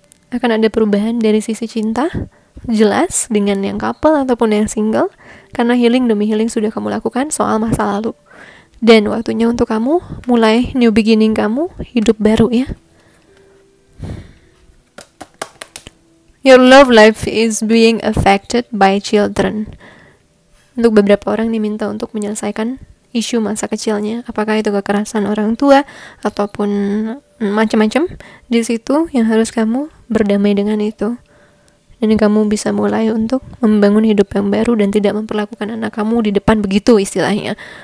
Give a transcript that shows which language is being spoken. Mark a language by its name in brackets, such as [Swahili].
[Indonesian] Akan ada perubahan dari sisi cinta, jelas, dengan yang couple ataupun yang single, karena healing demi healing sudah kamu lakukan soal masa lalu. Dan waktunya untuk kamu mulai [English] new beginning [Indonesian] kamu, hidup baru ya. [English] Your love life is being affected by children. [Indonesian] Untuk beberapa orang diminta untuk menyelesaikan isu masa kecilnya, apakah itu kekerasan orang tua ataupun macam-macam di situ, yang harus kamu berdamai dengan itu. Dan kamu bisa mulai untuk membangun hidup yang baru dan tidak memperlakukan anak kamu di depan begitu istilahnya.